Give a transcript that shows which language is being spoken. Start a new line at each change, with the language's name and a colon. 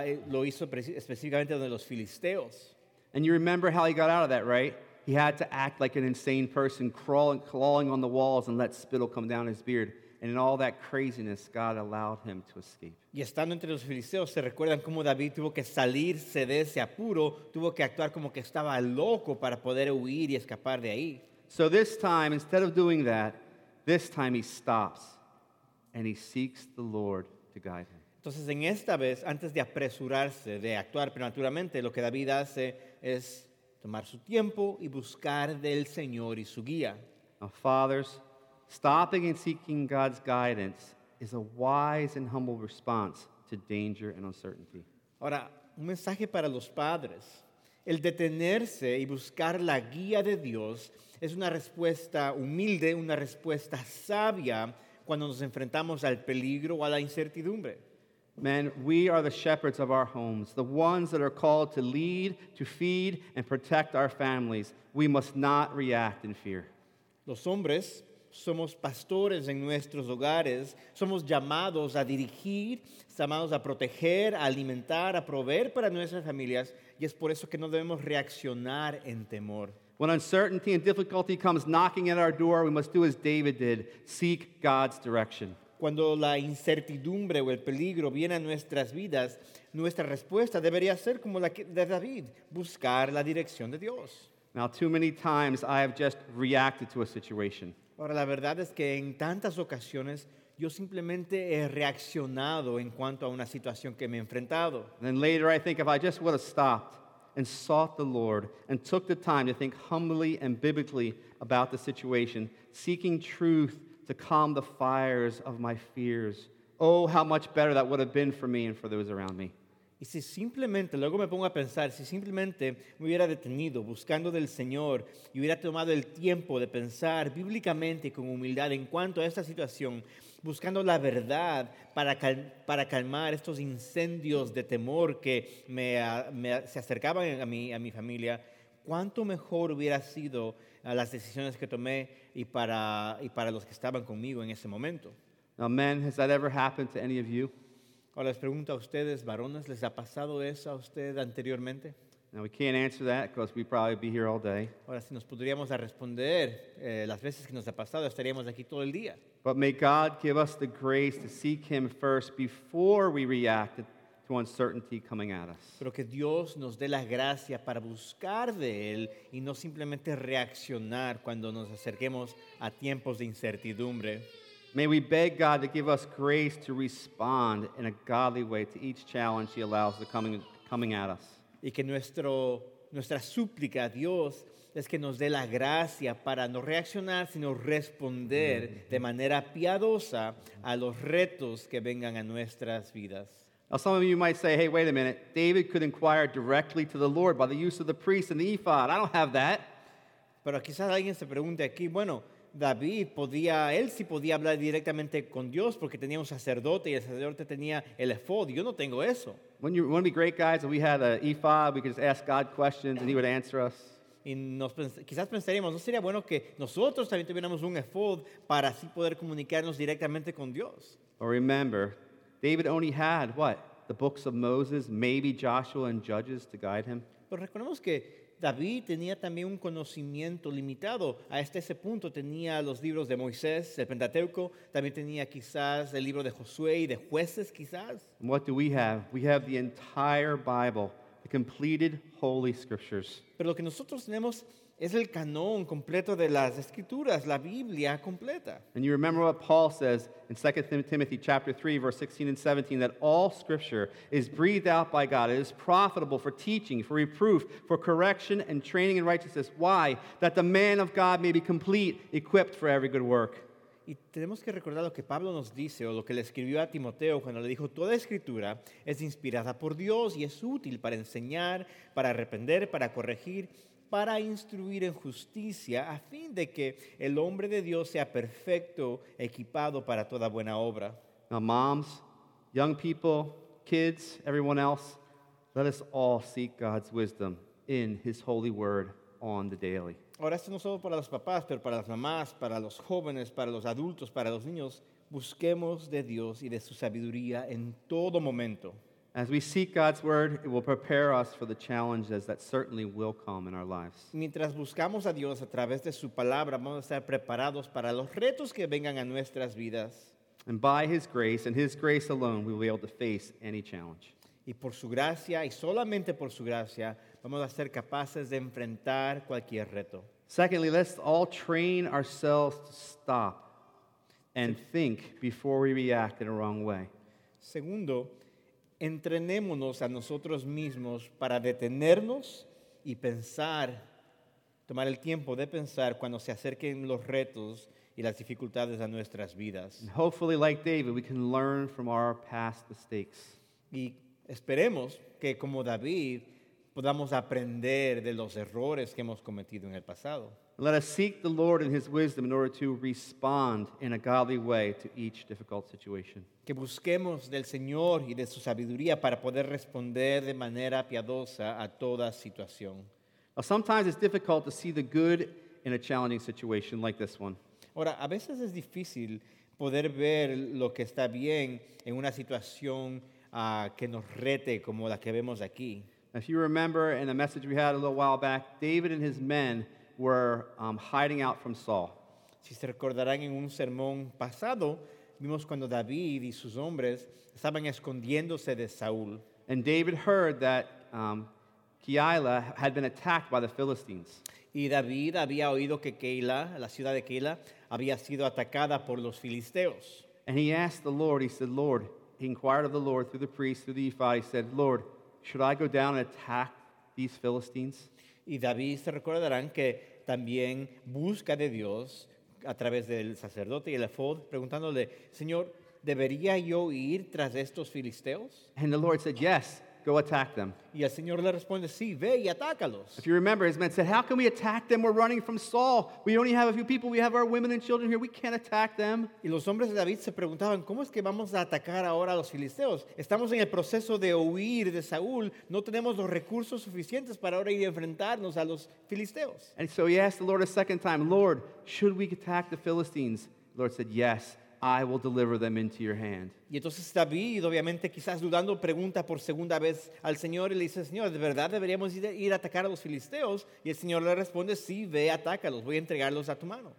Spanish: Lo hizo específicamente donde los filisteos.
English: And you remember how he got out of that, right? He had to act like an insane person, clawing on the walls and let spittle come down his beard. And in all that craziness, God allowed him to escape.
Spanish: Y estando entre los filisteos, se recuerdan cómo David tuvo que salirse de ese apuro, tuvo que actuar como que estaba loco para poder huir y escapar de ahí.
English: So this time, instead of doing that, this time he stops and he seeks the Lord to guide him.
Spanish: Entonces, en esta vez, antes de apresurarse, de actuar prematuramente, lo que David hace es tomar su tiempo y buscar del Señor y su guía.
English: Now, fathers, stopping and seeking God's guidance is a wise and humble response to danger and uncertainty.
Spanish: Ahora, un mensaje para los padres. El detenerse y buscar la guía de Dios es una respuesta humilde, una respuesta sabia cuando nos enfrentamos al peligro o a la incertidumbre.
English: Men, we are the shepherds of our homes, the ones that are called to lead, to feed, and protect our families. We must not react in fear.
Spanish: Los hombres somos pastores en nuestros hogares. Somos llamados a dirigir, llamados a proteger, a alimentar, a proveer para nuestras familias. Y es por eso que no debemos reaccionar en temor.
English: When uncertainty and difficulty comes knocking at our door, we must do as David did, seek God's direction.
Spanish: Cuando la incertidumbre o el peligro viene a nuestras vidas, nuestra respuesta debería ser como la de David, buscar la dirección de Dios.
English: Now, too many times I have just reacted to a situation.
Spanish: Ahora, la verdad es que en tantas ocasiones yo simplemente he reaccionado en cuanto a una situación que me he enfrentado.
English: Then later I think if I just would have stopped and sought the Lord and took the time to think humbly and biblically about the situation, seeking truth to calm the fires of my fears. Oh, how much better that would have been for me and for those around me.
Spanish: Y si simplemente, luego me pongo a pensar, si simplemente me hubiera detenido buscando del Señor y hubiera tomado el tiempo de pensar bíblicamente y con humildad en cuanto a esta situación, buscando la verdad para calmar estos incendios de temor que se acercaban a mí, a mi familia, ¿cuánto mejor hubiera sido las decisiones que tomé y para los que estaban conmigo en ese momento?
English: Now, men, has that ever happened to any of you?
Spanish: Ahora les pregunto a ustedes, varones, ¿les ha pasado eso a usted anteriormente?
English: Now we can't answer that because we'd probably be here all day.
Spanish: Ahora si nos podríamos a responder las veces que nos ha pasado estaríamos aquí todo el día.
English: But may God give us the grace to seek Him first before we react to uncertainty coming at us.
Spanish: Pero que Dios nos dé la gracia para buscar de Él y no simplemente reaccionar cuando nos acerquemos a tiempos de incertidumbre.
English: May we beg God to give us grace to respond in a godly way to each challenge He allows to coming at us.
Spanish: Y que nuestra súplica a Dios es que nos dé la gracia para no reaccionar, sino responder de manera piadosa a los retos que vengan a nuestras vidas.
English: Now some of you might say, hey, wait a minute, David could inquire directly to the Lord by the use of the priest and the ephod. I don't have that.
Spanish: Pero quizás alguien se pregunte aquí, bueno, David podía, él sí podía hablar directamente con Dios porque tenía un sacerdote y el sacerdote tenía el ephod. Yo no tengo eso.
English: Wouldn't it be great, guys, if we had an ephod, we could just ask God questions and He would answer us.
Spanish: Y quizás pensaríamos, ¿no sería bueno que nosotros también tuviéramos un ephod para así poder comunicarnos directamente con Dios?
English: Or remember, David only had, what, the books of Moses, maybe Joshua and Judges to guide him?
Spanish: Pero recordemos que David tenía también un conocimiento limitado. A ese punto tenía los libros de Moisés, el Pentateuco. También tenía quizás el libro de Josué y de Jueces, quizás.
English: And what do we have? We have the entire Bible, the completed Holy Scriptures.
Spanish: Pero lo que nosotros tenemos es el canon completo de las Escrituras, la Biblia completa.
English: And you remember what Paul says in 2 Timothy chapter 3, verse 16 and 17, that all Scripture is breathed out by God. It is profitable for teaching, for reproof, for correction, and training in righteousness. Why? That the man of God may be complete, equipped for every good work.
Spanish: Y tenemos que recordar lo que Pablo nos dice, o lo que le escribió a Timoteo cuando le dijo, toda Escritura es inspirada por Dios y es útil para enseñar, para arrepender, para corregir, para instruir en justicia, a fin de que el hombre de Dios sea perfecto, equipado para toda buena obra.
English: Now moms, young people, kids, everyone else, let us all seek God's wisdom in His holy word on the daily.
Spanish: Ahora esto no solo para los papás, pero para las mamás, para los jóvenes, para los adultos, para los niños, busquemos de Dios y de su sabiduría en todo momento.
English: As we seek God's word, it will prepare us for the challenges that certainly will come in our lives.
Spanish: Mientras buscamos a Dios a través de su palabra, vamos a estar preparados para los retos que vengan a nuestras vidas.
English: And by His grace and His grace alone, we will be able to face any challenge.
Spanish: Y por su gracia y solamente por su gracia, vamos a ser capaces de enfrentar cualquier reto.
English: Secondly, let's all train ourselves to stop and think before we react in a wrong way.
Spanish: Segundo, entrenémonos a nosotros mismos para detenernos y pensar, tomar el tiempo de pensar cuando se acerquen los retos y las dificultades a nuestras vidas.
English: And hopefully, like David, we can learn from our past mistakes.
Spanish: Y esperemos que como David podamos aprender de los errores que hemos cometido en el pasado.
English: Let us seek the Lord in His wisdom in order to respond in a godly way to each difficult situation.
Spanish: Que busquemos del Señor y de su sabiduría para poder responder de manera piadosa a toda situación.
English: Now, sometimes it's difficult to see the good in a challenging situation like this one.
Spanish: Ahora, a veces es difícil poder ver lo que está bien en una situación que nos rete como la que vemos aquí.
English: If you remember in a message we had a little while back, David and his men were hiding out from Saul.
Spanish: Si se recordarán en un sermón pasado, vimos cuando David y sus hombres estaban escondiéndose de Saúl.
English: And David heard that Keilah had been attacked by the Philistines.
Spanish: Y David había oído que Keilah, la ciudad de Keilah, había sido atacada por los filisteos.
English: And he asked the Lord, he said, Lord, he inquired of the Lord through the priest, through the ephod, he said, Lord, should I go down and attack these Philistines?
Spanish: Y David se recordarán que también busca de Dios a través del sacerdote y el ephod, preguntándole, Señor, ¿debería yo ir tras estos filisteos?
English: And the Lord said, yes, go attack them.
Spanish: Y el Señor le responde, sí, ve y atácalos.
English: If you remember, his men said, how can we attack them? We're running from Saul. We only have a few people. We have our women and children here. We can't attack them.
Spanish: Y los hombres de David se preguntaban, ¿cómo es que vamos a atacar ahora a los filisteos? Estamos en el proceso de huir de Saúl. No tenemos los recursos suficientes para ahora ir a enfrentarnos a los filisteos.
English: And so he asked the Lord a second time, Lord, should we attack the Philistines? The Lord said, yes, I will deliver them into your hand.
Spanish: Y entonces David, obviamente, quizás dudando, pregunta por segunda vez al Señor y le dice, Señor, ¿de verdad deberíamos ir a atacar a los filisteos? Y el Señor le responde, sí, ve, atácalos, voy a entregarlos a tu mano.